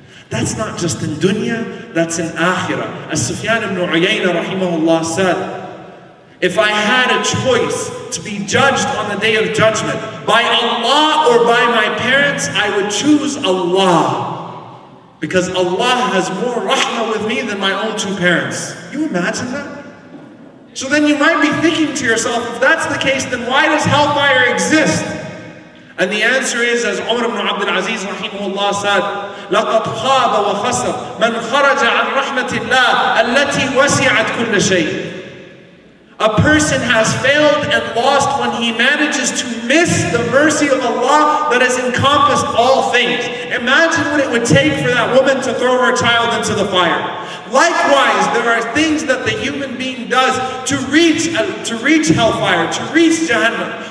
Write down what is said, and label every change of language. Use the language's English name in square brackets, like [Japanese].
[English] That's not just in dunya, that's in akhirah. As Sufyan ibn Uyayna rahimahullah said, if I had a choice to be judged on the day of judgment by Allah or by my parents, I would choose Allah. Because Allah has more rahmah with me than my own two parents. You imagine that? So then you might be thinking to yourself, if that's the case, then why does hellfire exist? And the answer is, as Umar ibn Abdul Aziz rahimahullah said, [Arabic] لَقَدْ خَابَ وَخَسَرْ مَنْ خَرَجَ عَنْ رَحْمَةِ اللَّهِ الَّتِي وَسِعَتْ كُلَّ شَيْءٍ. [English] A person has failed and lost when he manages to miss the mercy of Allah that has encompassed all things. Imagine what it would take for that woman to throw her child into the fire. Likewise, there are things that the human being does to reach hellfire, to reach Jahannam.